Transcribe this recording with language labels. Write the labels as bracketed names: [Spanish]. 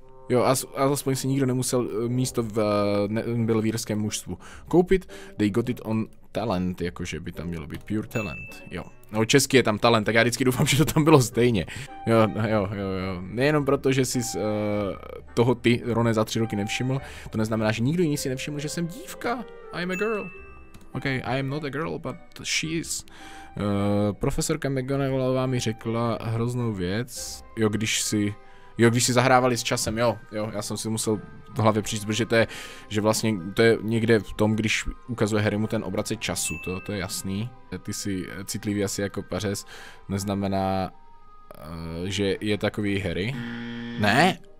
[Czech] Jo, aspoň si nikdo nemusel místo v nebelvírském mužstvu koupit. [English] They got it on talent, [Czech] jakože by tam mělo být [English] pure talent. [Czech] Jo, no česky je tam talent, tak já vždycky doufám, že to tam bylo stejně. Jo. Nejenom proto, že jsi toho ty, Rone, za 3 roky nevšiml, to neznamená, že nikdo jiný si nevšiml, že jsem dívka. [English] I'm a girl. Okay, I am not a girl, but she is. [Czech] Profesorka McGonagallová mi řekla hroznou věc. Jo, když si zahrávali s časem, jo, já jsem si musel v hlavě přijít, protože to je, že vlastně to je někde v tom, když ukazuje Harrymu ten obrace času, to je jasný. Ty jsi citlivý asi jako pařez, neznamená, že je takový Harry. Ne?